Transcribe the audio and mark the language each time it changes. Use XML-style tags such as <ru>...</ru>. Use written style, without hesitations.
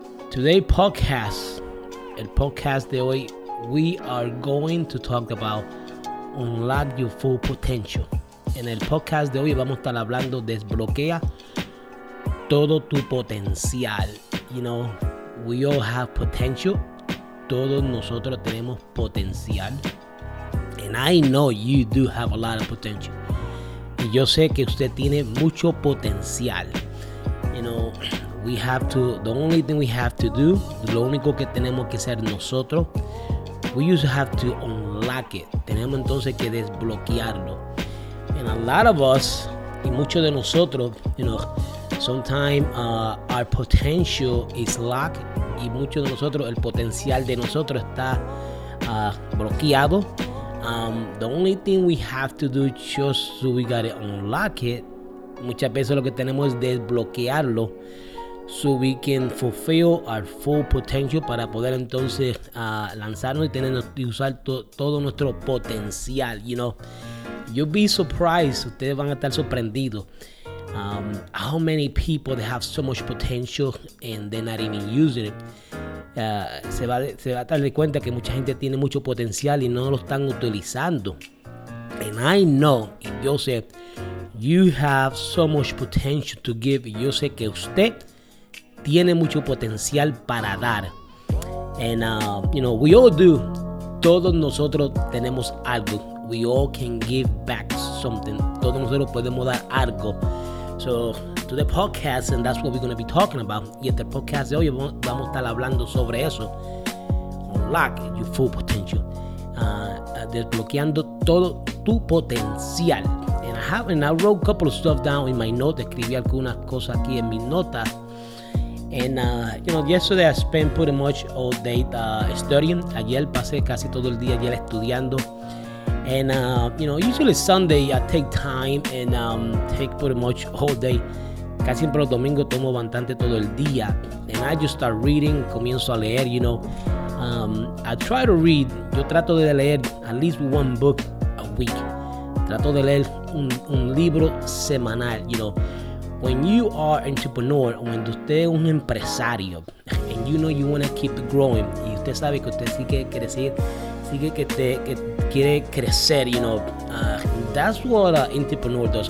<en>Today podcast,</en> <es>el podcast de hoy,</es> <en>we are going to talk about unlock your full potential.</en> <es>En el podcast de hoy vamos a estar hablando desbloquea todo tu potencial.</es> <en>You know, we all have potential.</en> <es>Todos nosotros tenemos potencial.</es> <en>And I know you do have a lot of potential.</en> <es>Y yo sé que usted tiene mucho potencial.</es> <en>You know, we have to, the only thing we have to do,</en> <es>lo único que tenemos que hacer nosotros,</es> <en>we just have to unlock it.</en> <es>Tenemos entonces que desbloquearlo.</es> <en>And a lot of us,</en> <es>y muchos de nosotros,</es> <en>you know, sometimes our potential is locked.</en> <es>Y muchos de nosotros, el potencial de nosotros está bloqueado.</es> <en>The only thing we have to do just so we got to unlock it.</en> <es>Muchas veces lo que tenemos es desbloquearlo.</es> <en>So we can fulfill our full potential</en> <es>para poder entonces lanzarnos y tener y usar todo nuestro potencial.</es> <en>You know, you'll be surprised.</en> <es>Ustedes van a estar sorprendidos.</es> <en>How many people that have so much potential and they're not even using it.</en> <es>Se va a dar cuenta que mucha gente tiene mucho potencial y no lo están utilizando.</es> <en>And I know,</en> <es>y yo sé,</es> <en>you have so much potential to give.</en> <es>Yo sé que usted tiene mucho potencial para dar.</es> <en>And, you know, we all do.</en> <es>Todos nosotros tenemos algo.</es> <en>We all can give back something.</en> <es>Todos nosotros podemos dar algo.</es> <en>So, to the podcast, and that's what we're going to be talking about.</en> <es>Y en el podcast de hoy vamos a estar hablando sobre eso.</es> <en>Unlock your full potential.</en> <es>Desbloqueando todo tu potencial.</es> <en>And I wrote a couple of stuff down in my notes.</en> <es>Escribí algunas cosas aquí en mis notas.</es> <en>And, you know, yesterday I spent pretty much all day studying.</en> <es>Ayer pasé casi todo el día ayer estudiando.</es> <en>And, you know, usually Sunday I take time and take pretty much all day.</en> <es>Casi siempre los domingos tomo bastante todo el día.</es> <en>And I just start reading,</en> <es>comienzo a leer,</es> <en>you know. I try to read,</en> <es>yo trato de leer</es> <en>at least one book a week.</en> <es>Trato de leer un libro semanal, you know.</es> <en>When you are an entrepreneur,</en> <es>cuando usted es un empresario,</es> <en>and you know you want to keep growing,</en> <es>y usted sabe que usted sí que quiere</es> <en>seguir, sigue que te que quiere crecer, you know, that's what an entrepreneur does.</en>